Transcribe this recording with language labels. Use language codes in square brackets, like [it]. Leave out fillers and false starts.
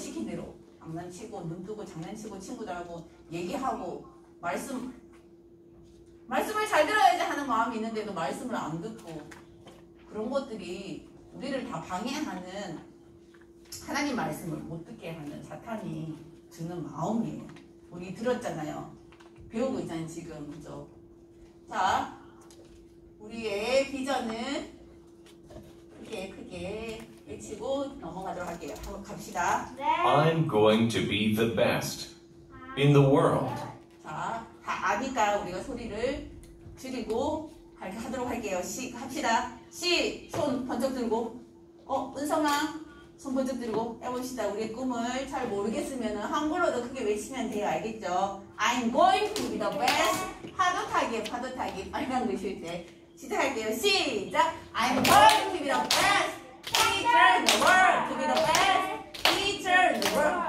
[ko] 시킨 대로 장난치고 눈 뜨고 장난치고 친구들하고 얘기하고 말씀을 잘 들어야지 하는 마음이 있는데도 말씀을 안 듣고 그런 것들이 우리를 다 방해하는 하나님 말씀을 못 듣게 하는 사탄이 주는 마음이에요. 우리 들었잖아요. 배우고 있잖아요 지금. 그죠? 자, 우리의 비전은 크게 외치고 넘어가도록 할게요. 한번 갑시다. 네. [en] I'm going to be the best in the world. [ko] 자, 다 아니까 우리가 소리를 줄이고 하도록 할게요. 시 갑시다. 시 손 번쩍 들고 은성아 손 번쩍 들고 해봅시다. 우리의 꿈을 잘 모르겠으면 한글로도 크게 외치면 돼요. 알겠죠? [en] I'm going to be the best. [ko] 파도타기 빨간 글씨일 때 시작할게요. 시작. [en] I'm going to be the best teacher in the world. To be the best teacher in the world.